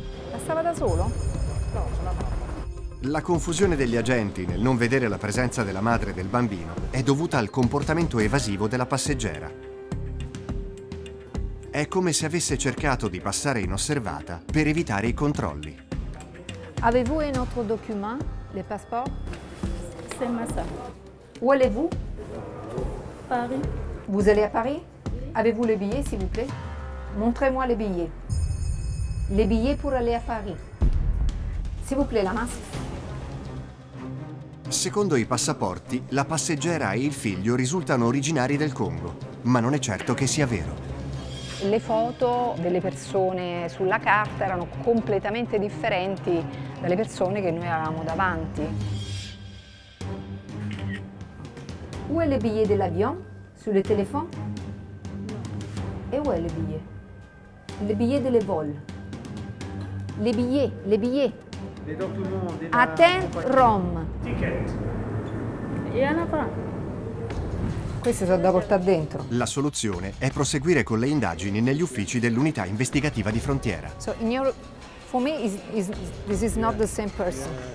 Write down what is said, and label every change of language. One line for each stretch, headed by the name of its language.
Italian: Passava da solo? No, c'è la mamma. La confusione degli agenti nel non vedere la presenza della madre del bambino è dovuta al comportamento evasivo della passeggera. È come se avesse cercato di passare inosservata per evitare i controlli.
French: Avez-vous un autre document, le passeport? C'est ma ça. Où allez-vous? Paris. Vous allez à Paris? Avez-vous les billets, s'il vous plaît? Montrez-moi les billets. Les billets pour aller à Paris. S'il vous plaît, la masse.
Italian: Secondo i passaporti, la passeggera e il figlio risultano originari del Congo, ma non è certo che sia vero. Le foto delle persone sulla carta erano completamente differenti dalle persone che noi avevamo davanti.
French: Où est le billet de l'avion? Sur le téléphone? Et où est le billet? Le billet de vol. Les billets, les billets. Les documents de Athènes, Rome. Ticket. Il y en a pas.
Italian: Queste sono da portare dentro. La soluzione è proseguire con le indagini negli uffici dell'unità investigativa di frontiera.
English: So in your, for me is this is not the same person.